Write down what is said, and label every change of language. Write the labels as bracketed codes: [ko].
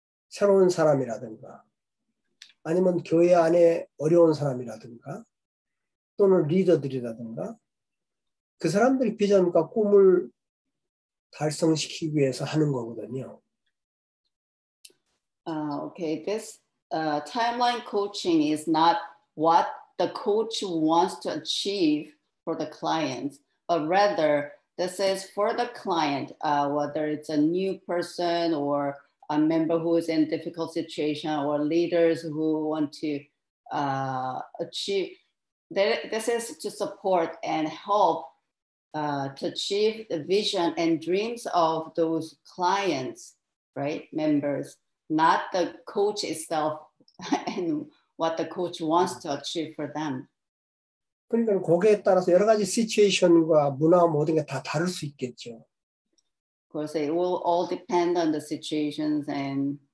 [ko] 새로운 사람이라든가 아니면 교회 안에 어려운 사람이라든가 또는 리더들이라든가 그 사람들이 비전과 꿈을 달성시키기 위해서 하는 거거든요. [en] Okay, this timeline coaching is not what the coach wants to achieve for the clients, but rather this is for the client, whether it's a new person or a member who is in a difficult situation or leaders who want to achieve. This is to support and help to achieve the vision and dreams of those clients, right? Members, not the coach itself and what the coach wants to achieve for them. [ko] 그러니까 거기에 따라서 여러 가지 시츄에이션과 문화 모든 게 다 다를 수 있겠죠. [en] Of course, it will all depend on the situations and